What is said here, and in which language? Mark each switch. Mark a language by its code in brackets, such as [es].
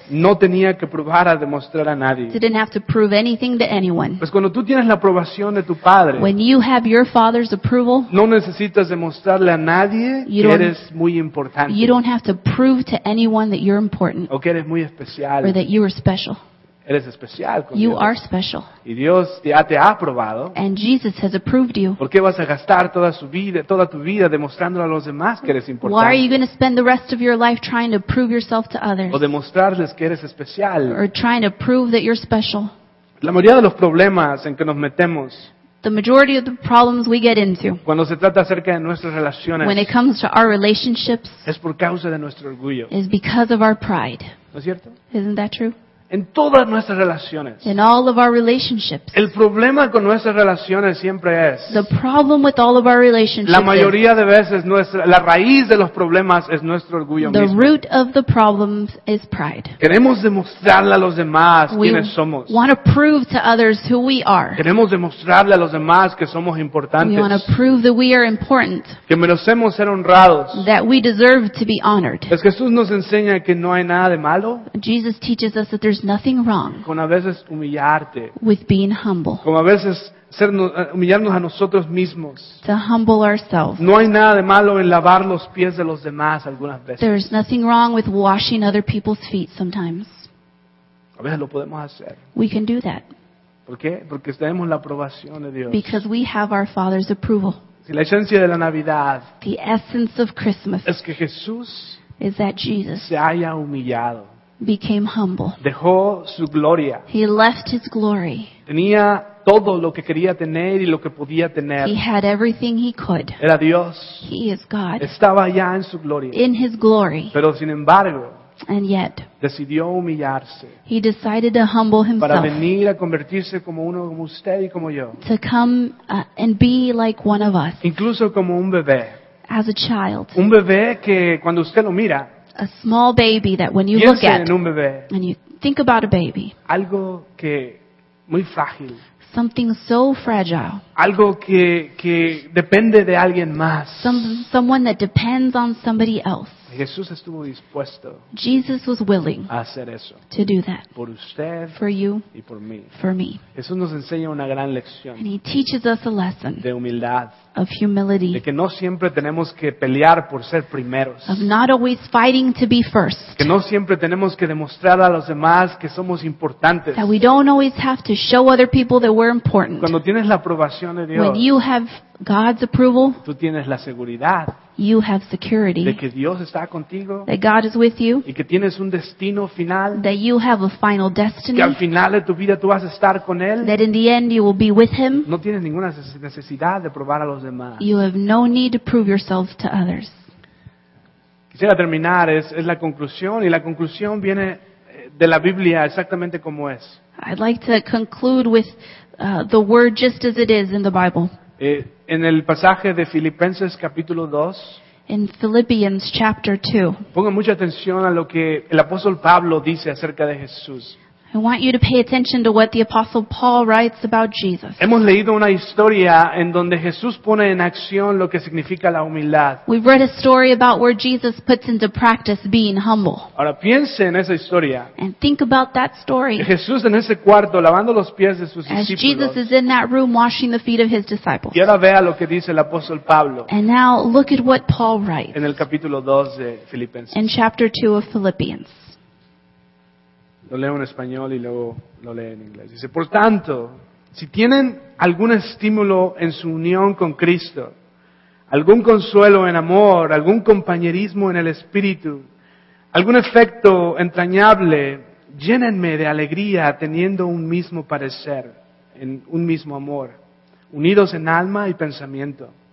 [es] No tenía que probar a demostrar a nadie. [en] He didn't have to prove anything to anyone. [es] Pues cuando tú tienes la aprobación de tu padre. [en] When you have your father's approval, [es] no necesitas demostrarle a nadie que eres muy importante. [en] You don't have to prove to anyone that you're important, [es] o que eres muy especial, [en] or that you are special. [es] Eres especial con [en] you [es] Dios. [en] Are special. [es] Y Dios te ha aprobado. [en] And Jesus has approved you. [es] ¿Por qué vas a gastar toda tu vida demostrándole a los demás que eres importante? [en] Why are you going to spend the rest of your life trying to prove yourself to others? [es] O demostrarles que eres especial. [en] Or trying to prove that you're special. [es] La mayoría de los problemas en que nos metemos. [en] The majority of the problems we get into. [es] Cuando se trata acerca de nuestras relaciones. [en] When it comes to our relationships. [es] Es por causa de nuestro orgullo. [en] Is because of our pride. [es] ¿No es cierto? [en] Isn't that true? [es] En todas nuestras relaciones. [en] In all of our relationships. [es] El problema con nuestras relaciones siempre es. [en] The problem with all of our relationships. [es] La mayoría de veces la raíz de los problemas es nuestro orgullo [en] the [es] mismo. [en] The root of the problems is pride. [es] Queremos demostrarle a los demás [en] we [es] quiénes somos. [en] We want to prove to others who we are. [es] Queremos demostrarle a los demás que somos importantes. [en] We want to prove that we are important. [es] Que merecemos ser honrados. [en] That we deserve to be honored. [es] Es que Jesús nos enseña que no hay nada de malo. [en] Jesus teaches us that there's nothing wrong [es] con a veces humillarte, [en] with being humble. [es] Con a veces ser, humillarnos a nosotros mismos. [en] To humble ourselves. [es] No hay nada de malo en lavar los pies de los demás algunas veces. [en] There's nothing wrong with washing other people's feet sometimes. [es] A veces lo podemos hacer. [en] We can do that. [es] ¿Por qué? Porque tenemos la aprobación de Dios. [en] Because we have our Father's approval. [es] Si la esencia de la Navidad [en] the essence of Christmas [es] es que Jesús [en] is that Jesus [es] se haya humillado. [en] Became humble. [es] Dejó su gloria. [en] He left his glory. [es] Tenía todo lo que quería tener y lo que podía tener. [en] He had everything he could. [es] Era Dios. [en] He is God. [es] Estaba ya en su gloria. [en] In his glory. [es] Pero sin embargo, [en] and yet, [es] decidió humillarse. [en] He decided to humble himself. [es] Para venir a convertirse como uno como usted y como yo. [en] To come and be like one of us. [es] Incluso como un bebé. [en] As a child. [es] Un bebé que cuando usted lo mira, [en] a small baby that when you [es] piense [en] look at [es] en un bebé, [en] and you think about a baby, [es] algo que muy frágil, [en] something so fragile, [es] algo que depende de alguien más, [en] someone that depends on somebody else. [es] Jesús estuvo dispuesto, [en] Jesus was willing [es] a hacer eso, [en] to do that [es] por usted, [en] for you [es] y por mí. [en] For me. [es] Jesús nos enseña una gran lección, [en] and he teaches us a lesson [es] de humildad, [en] of humility, [es] de que no siempre tenemos que pelear por ser primeros, [en] of not always fighting to be first, [es] que no siempre tenemos que demostrar a los demás que somos importantes, [en] that we don't always have to show other people that we're important. [es] Cuando tienes la aprobación de Dios, [en] when you have God's approval, [es] tú tienes la seguridad, [en] you have security, [es] de que Dios está contigo, [en] that God is with you, [es] y que tienes un destino final, [en] that you have a final destiny, [es] que al final de tu vida tú vas a estar con él, [en] that in the end you will be with him. [es] No tienes ninguna necesidad de probar a los demás. [en] You have no need to prove yourself to others. [es] Quisiera terminar, es la conclusión, y la conclusión viene de la Biblia exactamente como es. [en] I'd like to conclude with the word just as it is in the Bible. [es] En el pasaje de Filipenses capítulo 2. [en] In Philippians chapter 2. [es] Ponga mucha atención a lo que el apóstol Pablo dice acerca de Jesús. [en] I want you to pay attention to what the apostle Paul writes about Jesus. [es] Hemos leído una historia en donde Jesús pone en acción lo que significa la humildad. [en] We've read a story about where Jesus puts into practice being humble. [es] Ahora piense en esa historia. [en] And think about that story. [es] Jesús en ese cuarto lavando los pies de sus discípulos. [en] As Jesus is in that room washing the feet of his disciples. [es] Y ahora vea lo que dice el apóstol Pablo. [en] And now look at what Paul writes. [es] En el capítulo 2 de Filipenses. [en] In chapter 2 of Philippians. [es] Lo leo en español y luego lo leo en inglés. Dice, por tanto, si tienen algún estímulo en su unión con Cristo, algún consuelo en amor, algún compañerismo en el Espíritu, algún efecto entrañable, llénenme de alegría teniendo un mismo parecer, en un mismo amor, unidos en alma y pensamiento.